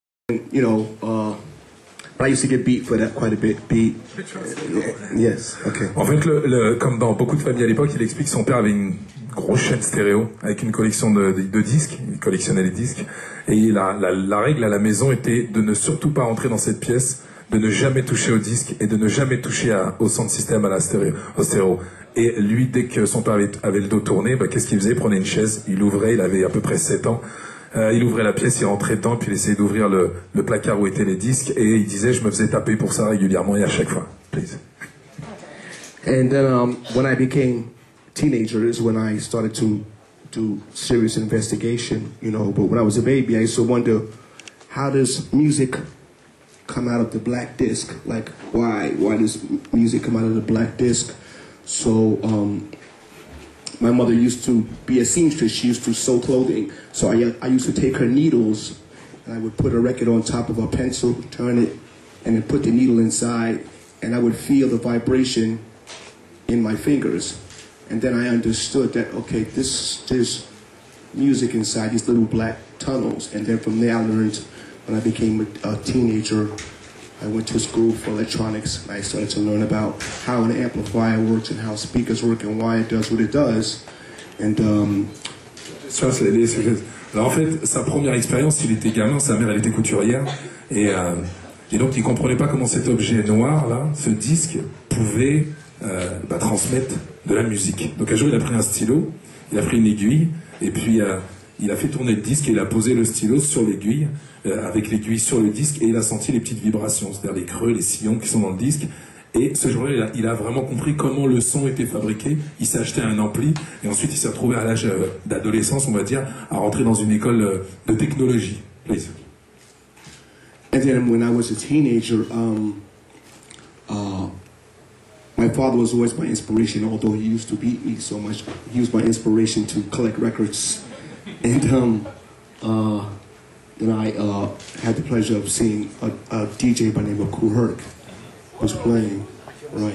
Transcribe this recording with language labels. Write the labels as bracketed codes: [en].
[en] You know, I used to get beat for that quite a bit. Beat. Yes. Okay. [fr] En fait, comme dans beaucoup de familles à l'époque, il explique que son père avait une grosse chaîne stéréo avec une collection de disques. Il collectionnait les disques. Et la règle à la maison était de ne surtout pas entrer dans cette pièce, de ne jamais toucher au disque et de ne jamais toucher au centre système, à la stéréo, au stéréo. Et lui, dès que son père avait le dos tourné, bah, qu'est-ce qu'il faisait? Il prenait une chaise, il ouvrait, il avait à peu près 7 ans. Il ouvrait la pièce, il rentrait dedans, puis il essayait d'ouvrir le placard où étaient les disques, et il disait, je me faisais taper pour ça régulièrement et à chaque fois. [en] Please. And then, when I became teenager is when I started to do serious investigation, you know. But when I was a baby, I used to wonder, how does music come out of the black disc? Like, why does music come out of the black disc? So, my mother used to be a seamstress. She used to sew clothing. So I used to take her needles, and I would put a record on top of a pencil, turn it, and then put the needle inside, and I would feel the vibration in my fingers. And then I understood that, okay, there's music inside these little black tunnels. And then from there I learned, when I became a teenager, I went to school for electronics, and I started to learn about how an amplifier works and how speakers work and why it does what it does. And [fr] ça, c'est l'idée. Alors en fait, sa première expérience, il était gamin, sa mère, elle était couturière, et donc il comprenait pas comment cet objet noir là, ce disque, pouvait transmettre de la musique. Donc un jour, il a pris un stylo, il a pris une aiguille, et puis il a fait tourner le disque et il a posé le stylo sur l'aiguille, avec l'aiguille sur le disque, et il a senti les petites vibrations, c'est-à-dire les creux, les sillons qui sont dans le disque. Et ce jour-là, il a vraiment compris comment le son était fabriqué. Il s'est acheté un ampli, et ensuite il s'est retrouvé à l'âge d'adolescence, on va dire, à rentrer dans une école de technologie. [en] Please. And then when I was a teenager, my father was always my inspiration, although he used to beat me so much. He was my inspiration to collect records. And then I had the pleasure of seeing a DJ by the name of Kool Herc was playing, right?